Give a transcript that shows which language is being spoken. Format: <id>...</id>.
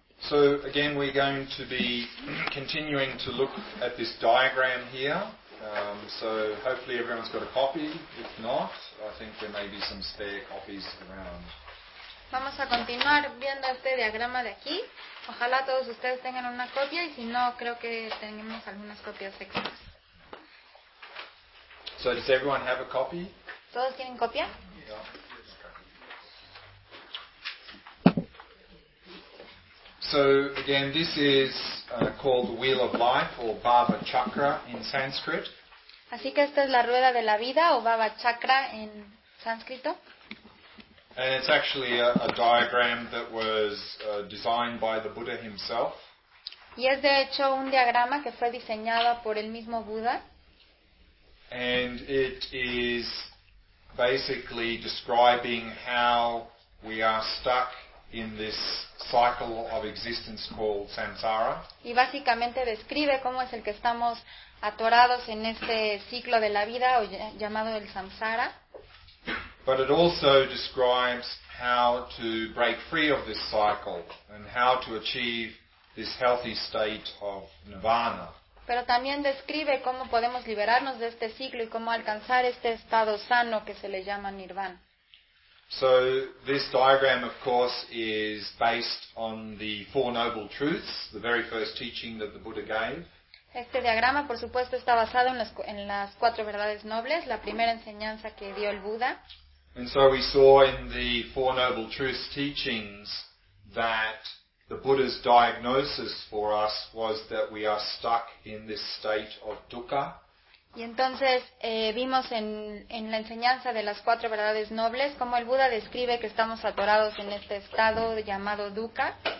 <en>So again, we're going to be continuing to look at this diagram here. So hopefully everyone's got a copy. If not, I think there may be some spare copies around.</en> <es>Vamos a continuar viendo este diagrama de aquí. Ojalá todos ustedes tengan una copia, y si no, creo que tenemos algunas copias extras.</es> <en>So does everyone have a copy?</en> <es>¿Todos tienen copia?</es> <en>Yeah. So again, this is called the Wheel of Life or Bhava Chakra in Sanskrit.</en> <es>Así que esta es la rueda de la vida o Bhava Chakra en sánscrito.</es> <en>And it's actually a diagram that was designed by the Buddha himself.</en> <es>Y es de hecho un diagrama que fue diseñado por el mismo Buda.</es> <en>And it is basically describing how we are stuck in this cycle of existence called samsara.</en> <es>Y básicamente describe cómo es el que estamos atorados en este ciclo de la vida o llamado el samsara.</es> <en>But it also describes how to break free of this cycle and how to achieve this healthy state of nirvana.</en> <es>Pero también describe cómo podemos liberarnos de este ciclo y cómo alcanzar este estado sano que se le llama nirvana.</es> <en>So this diagram, of course, is based on the Four Noble Truths, the very first teaching that the Buddha gave.</en> <es>Este diagrama, por supuesto, está basado en las cuatro verdades nobles, la primera enseñanza que dio el Buda.</es> <en>And so we saw in the Four Noble Truths teachings that the Buddha's diagnosis for us was that we are stuck in this state of dukkha.</en> <es>Y entonces vimos en la enseñanza de las cuatro verdades nobles cómo el Buda describe que estamos atorados en este estado llamado dukkha.</es>